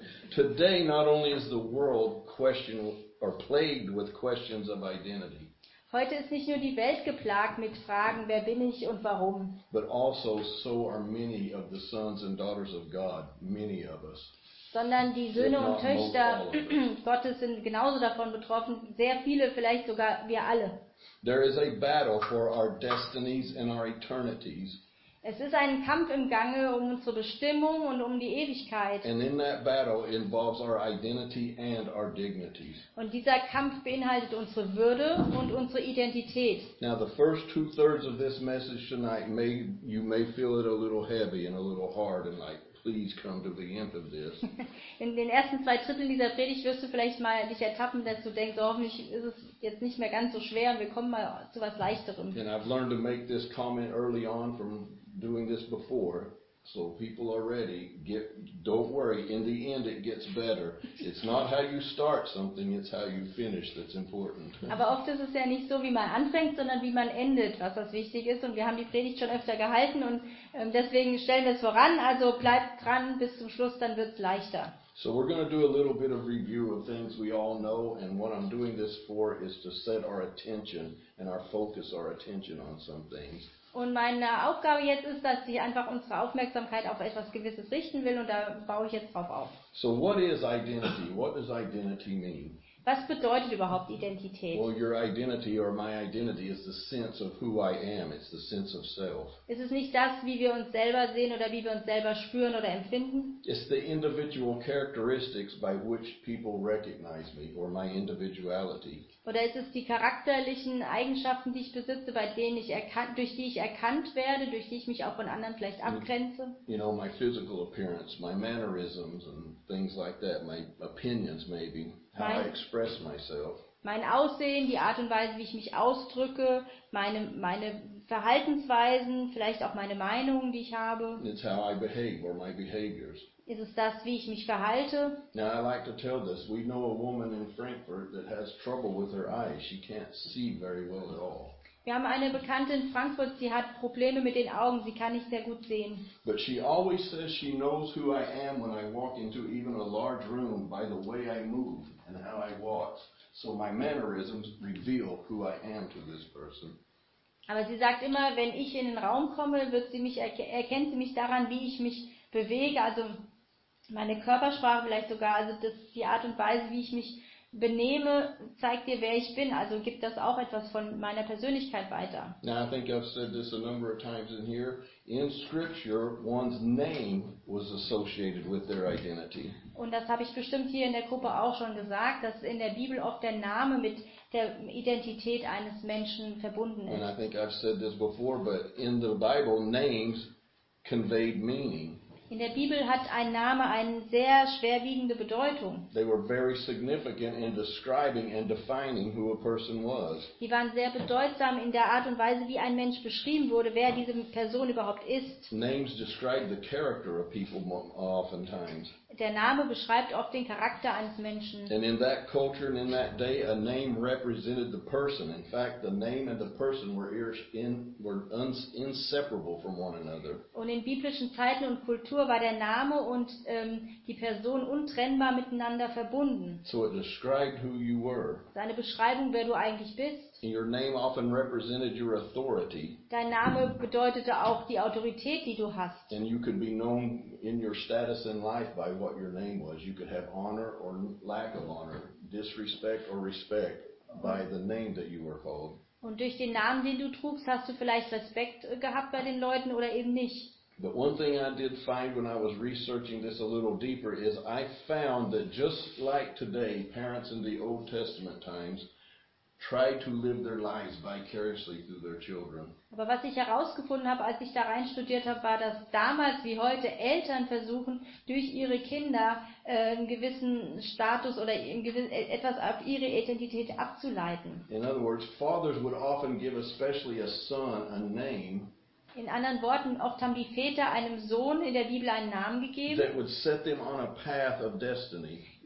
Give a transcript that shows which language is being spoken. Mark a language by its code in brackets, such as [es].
[en] Today, not only is the world are plagued with questions of identity. [de] Heute ist nicht nur die Welt geplagt mit Fragen, wer bin ich und warum. [en] But also so are many of the sons and daughters of God, many of us. [de] Sondern die Söhne und Töchter Gottes sind genauso davon betroffen, sehr viele, vielleicht sogar wir alle. [en] There is a battle for our destinies and our eternities. [de] Es ist ein Kampf im Gange um unsere Bestimmung und um die Ewigkeit. [en] And in that battle involves our identity and our dignities. [de] Und dieser Kampf beinhaltet unsere Würde und unsere Identität. [en] Now the first 2/3 of this message tonight, you may feel it a little heavy and a little hard and like, please come to the end of this. [de] In den ersten zwei Dritteln dieser Predigt wirst du vielleicht mal dich ertappen, dass du denkst, hoffentlich ist es jetzt nicht mehr ganz so schwer und wir kommen mal zu was Leichterem. [en] And I've learned to make this comment early on from doing this before. So people are ready. Don't worry. In the end, it gets better. It's not how you start something; it's how you finish that's important. [de] Aber oft ist es ja nicht so, wie man anfängt, sondern wie man endet, was das wichtig ist. Und wir haben die Predigt schon öfter gehalten, und deswegen stellen wir es voran. Also bleibt dran bis zum Schluss, dann wird's leichter. [en] So we're going to do a little bit of review of things we all know, and what I'm doing this for is to set our attention and our focus, our attention on some things. [de] Und meine Aufgabe jetzt ist, dass ich einfach unsere Aufmerksamkeit auf etwas Gewisses richten will, und da baue ich jetzt drauf auf. [en] So what is identity? What does identity mean? [de] Was bedeutet überhaupt Identität? [en] Well, your identity or my identity is the sense of who I am. It's the sense of self. [de] Ist es nicht das, wie wir uns selber sehen oder wie wir uns selber spüren oder empfinden? [en] It's the individual characteristics by which people recognize me or my individuality. [de] Oder ist es die charakterlichen Eigenschaften, die ich besitze, bei denen ich durch die ich erkannt werde, durch die ich mich auch von anderen vielleicht abgrenze? [en] You know, my physical appearance, my mannerisms and things like that, my opinions maybe. How I express myself. [de] Mein Aussehen, die Art und Weise, wie ich mich ausdrücke, meine Verhaltensweisen, vielleicht auch meine Meinungen, die ich habe. [en] It's how I behave or my behaviors. [de] Ist es das, wie ich mich verhalte? [en] Now I like to tell this. We know a woman in Frankfurt that has trouble with her eyes. She can't see very well at all. [de] Wir haben eine Bekannte in Frankfurt, sie hat Probleme mit den Augen, sie kann nicht sehr gut sehen. [en] But she always says she knows who I am when I walk into even a large room by the way I move and how I walk. So my mannerisms reveal who I am to this person. [de] Aber sie sagt immer, wenn ich in den Raum komme, erkennt sie mich daran, wie ich mich bewege, also meine Körpersprache vielleicht sogar, also das, die Art und Weise, wie ich mich benehme, zeigt dir, wer ich bin, also gibt das auch etwas von meiner Persönlichkeit weiter. [en] Now I think I've said this a number of times in here. In Scripture, one's name was associated with their identity. [de] Und das habe ich bestimmt hier in der Gruppe auch schon gesagt, dass in der Bibel oft der Name mit der Identität eines Menschen verbunden ist. [en] And I think I've said this before, but in the Bible, names conveyed meaning. [de] In der Bibel hat ein Name eine sehr schwerwiegende Bedeutung. [en] They were very significant in describing and defining who a person was. [de] Die waren sehr bedeutsam in der Art und Weise, wie ein Mensch beschrieben wurde, wer diese Person überhaupt ist. [en] Names describe the character of people oftentimes. [de] Der Name beschreibt oft den Charakter eines Menschen. [en] And in that culture and in that day, a name represented the person. In fact, the name and the person were inseparable from one another. [de] Und in biblischen Zeiten und Kultur war der Name und die Person untrennbar miteinander verbunden. [en] So it described who you were. [de] Seine Beschreibung, wer du eigentlich bist. [en] Your name often represented your authority. [de] Dein Name bedeutete auch die Autorität, die du hast. [en] And you could be known in your status in life by what your name was. You could have honor or lack of honor, disrespect or respect by the name that you were called. [de] Und durch den Namen, den du trugst, hast du vielleicht Respekt gehabt bei den Leuten oder eben nicht. [en] But one thing I did find when I was researching this a little deeper is I found that just like today, parents in the Old Testament times try to live their lives vicariously through their children. [de] Aber was ich herausgefunden habe, als ich da rein studiert habe, war, dass damals wie heute Eltern versuchen, durch ihre Kinder einen gewissen Status oder etwas auf ihre Identität abzuleiten. [en] In other words, fathers would often give especially a son a name. [de] In anderen Worten, oft haben die Väter einem Sohn in der Bibel einen Namen gegeben. [en] That would set them on a path of destiny.